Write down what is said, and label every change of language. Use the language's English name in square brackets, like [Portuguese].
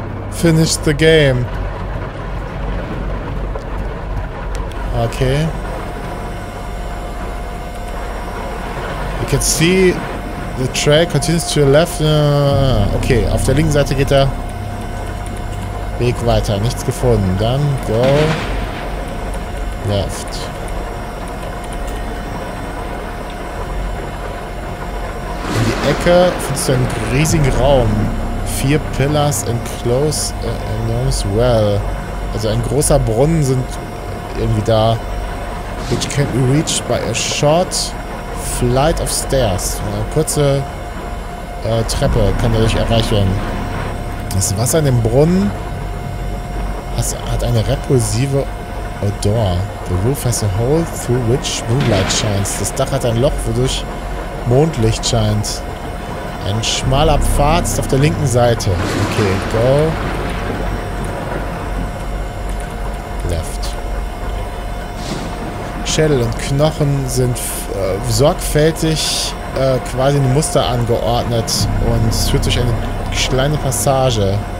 [English] Finish the game. Okay. You can see the trail continues to your left. [German] Okay, auf der linken Seite geht der Weg weiter. Nichts gefunden. [English] Dann go left. [German] In die Ecke findest du einen riesigen Raum. [English] Vier Pillars enclose an enormous well. [German] Also ein großer Brunnen sind irgendwie da. [English] Which can be reached by a short flight of stairs. [German] Eine kurze Treppe kann dadurch erreicht werden. Das Wasser in dem Brunnen hat eine [English] repulsive Odor. The roof has a hole through which moonlight shines. [German] Das Dach hat ein Loch, wodurch Mondlicht scheint. Ein schmaler Pfad ist auf der linken Seite. Okay, go. Schädel und Knochen sind sorgfältig quasi ein Muster angeordnet und es führt durch eine kleine Passage.